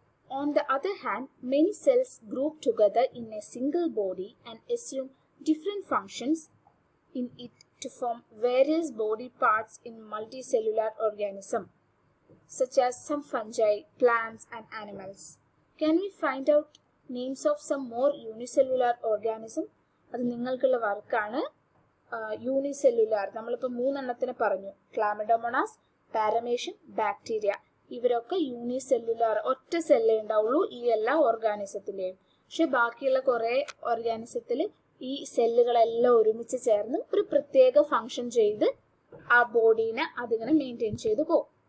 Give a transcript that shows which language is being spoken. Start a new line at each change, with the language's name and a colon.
English: On the other hand, many cells group together in a single body and assume different functions in it to form various body parts in multicellular organism such as some fungi, plants and animals. Can we find out names of some more unicellular organism?
Malayalam: അത് നിങ്ങൾക്കുള്ള വർക്കാണ്. Unicellular നമ്മളിപ്പോൾ മൂന്നെണ്ണത്തിനെ പറഞ്ഞു, Chlamydomonas, പാരമേഷ്യം, bacteria. ഇവരൊക്കെ unicellular, ഒറ്റ സെല്ലേ ഉണ്ടാവുള്ളൂ ഈ എല്ലാ ഓർഗാനിസത്തിൻ്റെയും. പക്ഷെ ബാക്കിയുള്ള കുറേ ഓർഗാനിസത്തിൽ ഈ സെല്ലുകളെല്ലാം ഒരുമിച്ച് ചേർന്ന് ഒരു പ്രത്യേക ഫങ്ഷൻ ചെയ്ത് ആ ബോഡീനെ അതിങ്ങനെ മെയിൻറ്റെയിൻ ചെയ്ത് പോകും.